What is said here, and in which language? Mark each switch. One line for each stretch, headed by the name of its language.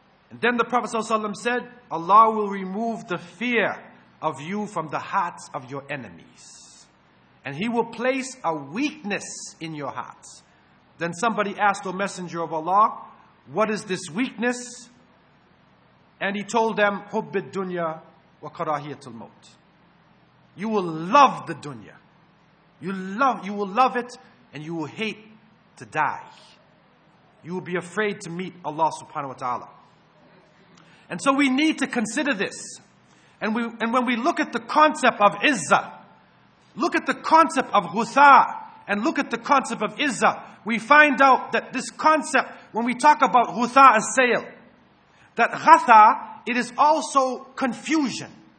English: And then the Prophet ﷺ said, Allah will remove the fear of you from the hearts of your enemies. And He will place a weakness in your hearts. Then somebody asked, O Messenger of Allah, what is this weakness? And he told them,
Arabic: حب الدنيا وكراهية الموت.
English: You will love the dunya. You will love it and you will hate to die. You will be afraid to meet Allah subhanahu wa ta'ala. And so we need to consider this. And when we look at the concept of izzah, look at the concept of ghutha, and look at the concept of izzah, we find out that this concept, when we talk about ghutha as-sail, that ghatha, it is also confusion.